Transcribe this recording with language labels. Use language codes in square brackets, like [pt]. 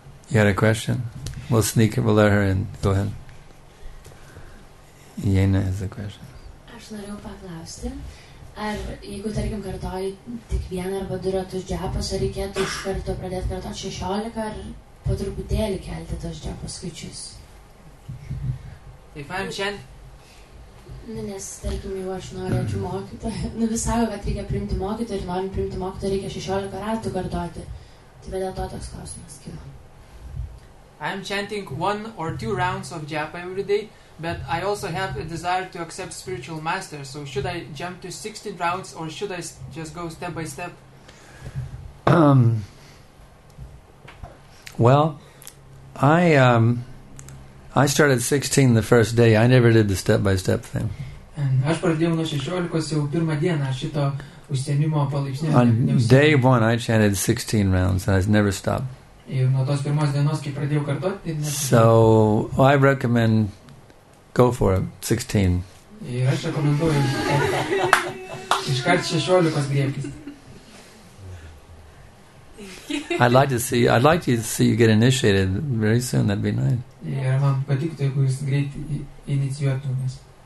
[en] You had a question? We'll sneak it. We'll let her in. Go ahead. Jena has a question. [lt] Norėjau paklausti, ar jeigu, tarkim, kartoji tik vieną arba du ratus džiapos, ar reikėtų iš karto pradėti kartoti 16, ar po truputėlį kelti tos džiapos skaičius? [en] If I'm Chen. [lt] Nu, nes, tarkim, jeigu aš norėčiau mokyti, nu, vis sako, kad reikia priimti mokyti ir norim priimti mokyti, reikia 16 ratų kartoti. Tai vėl to toks klausimas kilo. [en] I'm chanting one or two rounds of japa every day. But I also have a desire to accept spiritual master. So should I jump to 16 rounds or should I just go step by step? Well, I started 16 the first day. I never did the step by step thing. [lt] Aš pradėjau nuo 16 jau pirmą dieną šito užsiėmimo palaipsniui. [en] On day one, I chanted 16 rounds and I never stopped. [lt] Ir nuo tos pirmos dienos, kai pradėjau kartoti. [en] So I recommend. Go for it, 16. [lt] Ir aš rekomenduoju. Iškart 16 griebkis. [en] I'd like to see you get initiated very soon, that'd be nice. [lt] Ir man patiktų, jeigu jūs greit inicijuotumės.